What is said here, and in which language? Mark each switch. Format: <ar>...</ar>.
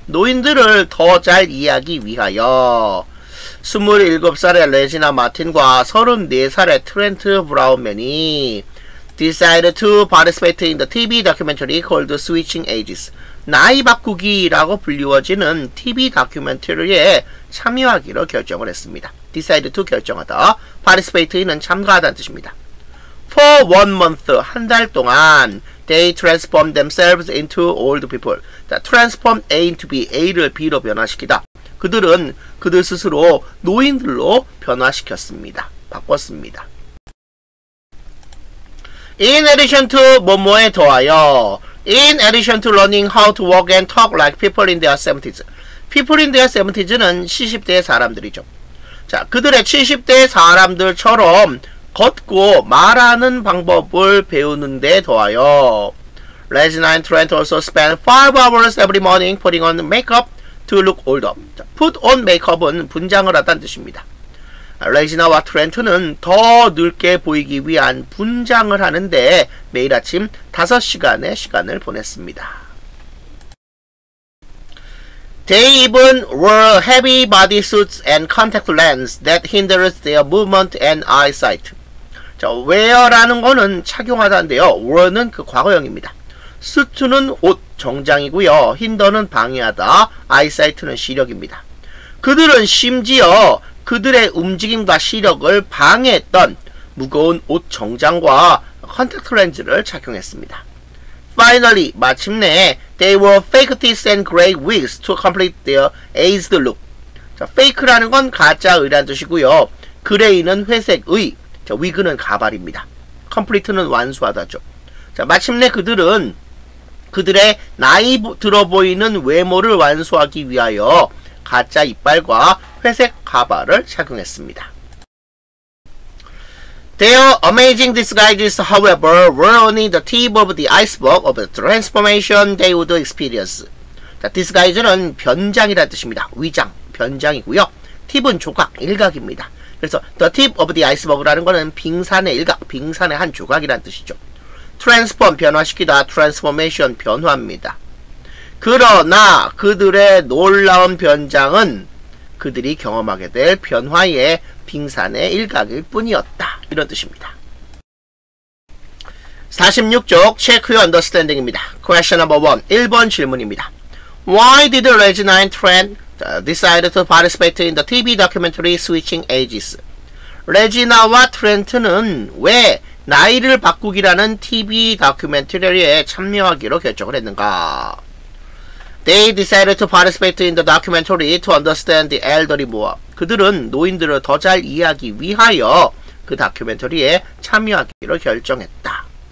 <ko>노인들을 더 잘 이해하기 위하여 27살의 레지나 마틴과 34살의 트렌트 브라운맨이</ko> <en>decided to participate in the TV documentary called Switching Ages.</en> <ko>나이 바꾸기라고 불리워지는 TV 다큐멘터리에 참여하기로 결정을 했습니다. decide to 결정하다. participate는 참가하다는 뜻입니다.</ko> <en>For one month,</en> <ko>한 달 동안</ko> <en>they transformed themselves into old people.</en> <ko>자,</ko> <en>transform A into B,</en> <ko>A를 B로 변화시키다. 그들은 그들 스스로 노인들로 변화시켰습니다. 바꿨습니다.</ko> <en>In addition to</en> <ko>뭐뭐에 더하여</ko> <en>In addition to learning how to walk and talk like people in their 70s. People in their 70s</en> <ko>는 70대의 사람들이죠. 자, 그들의 70대 사람들처럼 걷고 말하는 방법을 배우는데 더하여 레지나</ko> <en>and Trent also spend 5 hours every morning putting on makeup to look older.</en> <ko>자, put on makeup은 분장을 하다는 뜻입니다. 레지나와 트렌트는 더 늙게 보이기 위한 분장을 하는데 매일 아침 5시간의 시간을 보냈습니다.</ko> <en>They even wore heavy body suits and contact lens that hinders their movement and eyesight.</en> <ko>자, wear라는 거는 착용하다인데요. wear는 그 과거형입니다. suit는 옷, 정장이고요. hinder는 방해하다. eyesight는 시력입니다. 그들은 심지어 그들의 움직임과 시력을 방해했던 무거운 옷 정장과 컨택트 렌즈를 착용했습니다.</ko> <en>Finally,</en> <ko>마침내</ko> <en>they wore fake teeth and gray wigs to complete their aged look.</en> <ko>자, fake라는 건 가짜의란 뜻이고요. gray는 회색의, 자, wig는 가발입니다. complete는 완수하다죠. 자, 마침내 그들은 그들의 나이 들어 보이는 외모를 완수하기 위하여 가짜 이빨과 회색 가발을 착용했습니다.</ko> <en>Their amazing disguises, however, were only the tip of the iceberg of the transformation they would experience.</en> <ko>자, disguise는 변장이라는 뜻입니다. 위장, 변장이고요. tip은 조각, 일각입니다. 그래서 the tip of the iceberg라는 것은 빙산의 일각, 빙산의 한 조각이라는 뜻이죠. transform, 변화시키다, transformation, 변화입니다. 그러나 그들의 놀라운 변장은 그들이 경험하게 될 변화의 빙산의 일각일 뿐이었다. 이런 뜻입니다. 46쪽</ko> <en>check your understanding</en> <ko>입니다.</ko> <en>Question number 1.</en> <ko>1번 질문입니다.</ko> <en>Why did Regina and Trent decide to participate in the TV documentary Switching Ages?</en> <ko>레지나와 트렌트는 왜 나이를 바꾸기라는 TV 다큐멘터리에 참여하기로 결정을 했는가?</ko> <en>They decided to participate in the documentary to understand the elderly more.</en> <ko>그들은 노인들을 더 잘 이해하기 위하여 그 다큐멘터리에 참여하기로 결정했다.</ko>